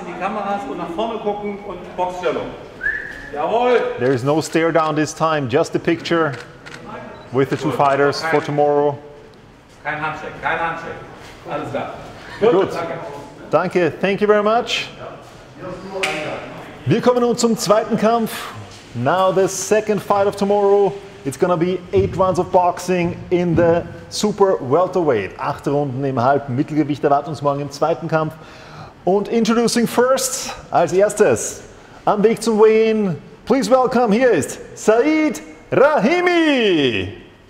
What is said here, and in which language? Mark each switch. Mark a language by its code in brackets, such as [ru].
[de] In die Kameras und nach vorne gucken und Boxstellung. Jawohl! [en] There is no stare down this time, just the picture with the two fighters for tomorrow. [de] Kein Handshake, kein Handshake. Alles klar. Gut. Danke. Danke, [en] thank you very much. [de] Wir kommen nun zum zweiten Kampf. [en] Now the second fight of tomorrow. It's gonna be 8 rounds of boxing in the super welterweight. [de] 8 Runden im halben Mittelgewicht erwarten uns morgen im zweiten Kampf. Und [en] introducing first, [de] als erstes, am Weg zum Weigh-in, [en] please welcome, [de] hier ist Said Rahimi.